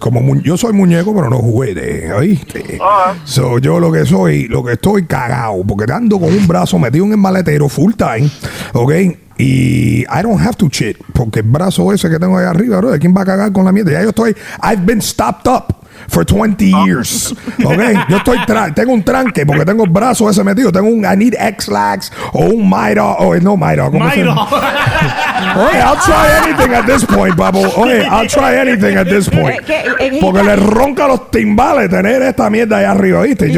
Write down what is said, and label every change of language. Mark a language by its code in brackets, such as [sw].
[es] Como yo soy muñeco, pero no juguete, ¿oíste? So, yo lo que estoy cagado, porque ando con un brazo metido en el maletero [en] full time, [es] ¿ok? Y [en] I don't have to shit, [es] porque el brazo ese que tengo ahí arriba, ¿de quién va a cagar con la mierda? Ya yo estoy... [en] I've been stopped up. For 20 years. Okay. [es] Yo estoy tengo un tranque porque tengo el brazo ese metido. Tengo un [en] I need X-Lax [es] o un Mayra. Oh, no, Mayra. Mayra. [en] Oye, I'll try anything at this point, Babo. Oye, I'll try anything at this point. [es] Porque le ronca los timbales tener esta mierda ahí arriba, ¿viste?